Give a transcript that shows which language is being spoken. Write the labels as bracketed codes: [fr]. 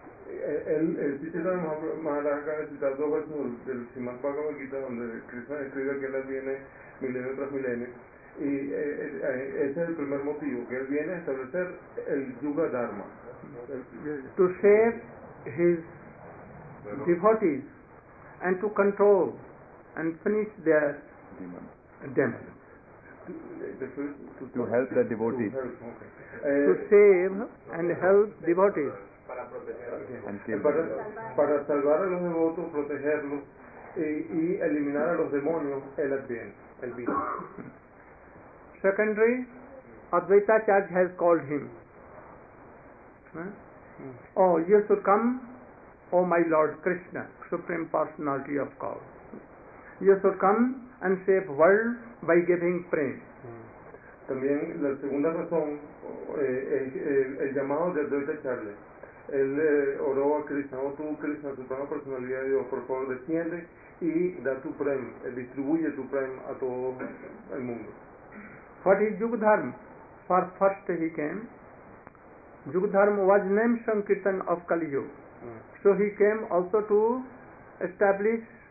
[es] El Chaitanya Mahaprabhu ha citado 2 versos del Srimad Bhagavad Gita donde Krishna escribe que él viene milenio tras milenio. Y ese es el primer motivo, que él viene a establecer el Yuga Dharma. [en] To save his devotees and to control and finish their demons. To help the devotees. To save and help devotees. [es] Para salvar a los devotos, protegerlos y eliminar a los demonios, él adviene, él viene. [en] Secondary, Advaita Charge has called him. Oh, you should come, oh my Lord Krishna, Supreme Personality of God. You should come and save world by giving prem. [es] También la segunda razón el llamado de Advaita Charge. Él oró a Krishna, oh tú Krishna, Suprema Personalidad de Dios, por favor desciende y da tu prem, distribuye tu prem a todo el mundo. [en] What is Yuga Dharma? For first he came. Yuga Dharma was named Sankirtan of Kali Yuga. So he came also to establish